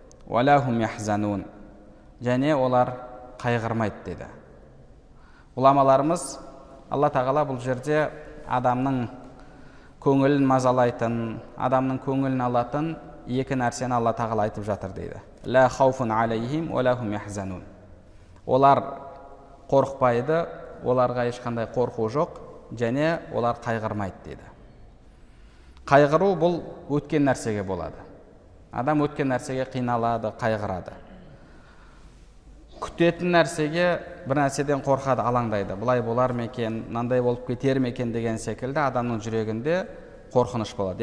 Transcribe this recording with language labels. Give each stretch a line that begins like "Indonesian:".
Arabic: "Ва лахум яхзанун".
Kazakh: Және олар қайғырмайды деді. Ғұламаларымыз Алла Тағала бұл жерде адамның көңілін мазалайтын, адамның көңілін алатын екі нәрсені Алла Тағала айтып жатыр дейді.
Arabic: لا خوف عليهم ولا هم يحزنون.
Kazakh: Олар қорықпайды, оларға ешқандай қорқу жоқ, және олар қайғырмайды деді. Қайғыру бұл өткен нәрсеге болады. Адам өткен нәрсеге қиналады, қайғырады. Күтетін нәрсеге бір нәрседен қорқады, алаңдайды. Бұлай болар ма екен, мынандай болып кетер ме екен деген секілді адамның жүрегінде қорқыныш болады.